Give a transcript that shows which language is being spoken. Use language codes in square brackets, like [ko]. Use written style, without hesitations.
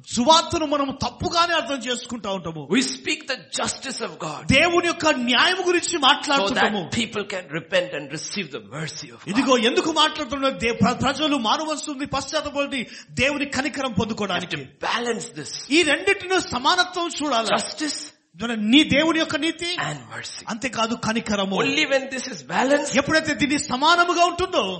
[te] సువార్తను మనం తప్పుగానే అర్థం చేసుకుంటా ఉంటాము. [en] We speak the justice of God. [te] దేవుని యొక్క న్యాయం గురించి మాట్లాడుతుంటాము. [en] So that people can repent and receive the mercy of God. [te] ఇదిగో ఎందుకు మాట్లాడుతున్నాడు, ప్రజలు మారువస్తుంది పశ్చాత్తాపపడి దేవుని కనికరం పొందుకోవడానికి. [en] Balance this. [te] ఈ రెండింటిని సమానత్వం చూడాలి. [en] Justice. [te] దేవుని యొక్క నీతి [en] And mercy. [te] అంతేకాదు కనికరము. [en] only when this is balance, [te] ఎప్పుడైతే దీన్ని సమానముగా ఉంటుందో,